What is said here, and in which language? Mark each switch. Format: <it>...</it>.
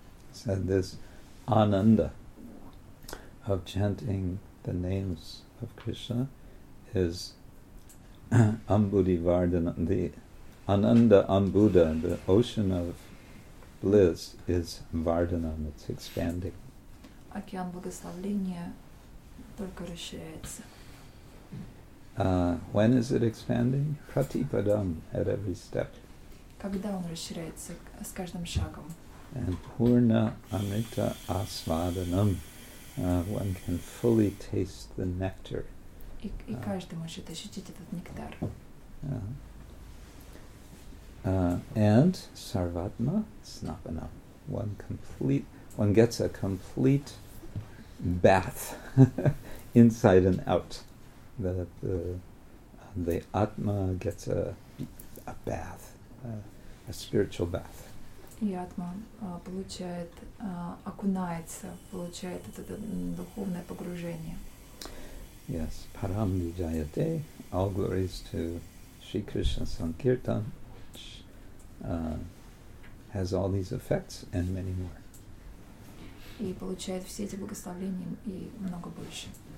<en>Said this ananda of chanting the names of Krishna is Ambudivardhana, the ananda ambuda, the ocean of bliss is vardhanam, it's expanding.</en> <ru>Океан благословения только расширяется.</ru> <en>When is it expanding? Pratipadam, at every step.</en> <ru>Когда он расширяется с каждым шагом?</ru> <en>And purna amrita asvadanam. One can fully taste the nectar.</en> <ru>И каждый может ощутить этот нектар.</ru> <en>And sarvatma snapanam. One gets a complete bath inside and out. That the atma gets a bath, a spiritual bath.</en> <ru>И атма получает, окунается, получает это духовное погружение.</ru> <en>Yes, param vijayate, all glories to Sri Krishna Sankirtan, which has all these effects and many more.</en> <ru>И получает все эти благословения и много больше.</ru>